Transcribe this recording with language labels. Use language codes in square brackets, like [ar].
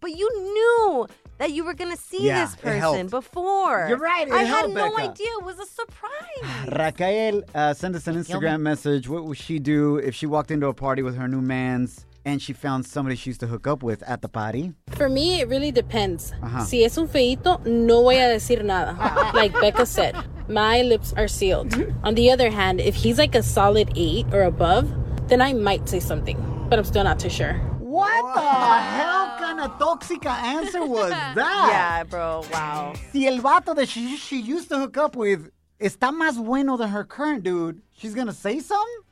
[en] But you knew that you were going to see this person before. You're right. I had no idea. It was a surprise. Raquel sent us an Instagram message. What would she do if she walked into a party with her new man's and she found somebody she used to hook up with at the party? For me, it really depends. [es] Si es un feito, no voy a decir nada. [en] Like Becca said, my lips are sealed. On the other hand, if he's like a solid 8 or above, then I might say something, but I'm still not too sure. What the hell kind of toxic answer was that? Yeah, bro, wow. [es] Si el vato [en] that she used to hook up with [es] está más bueno [en] than her current dude, she's going to say something?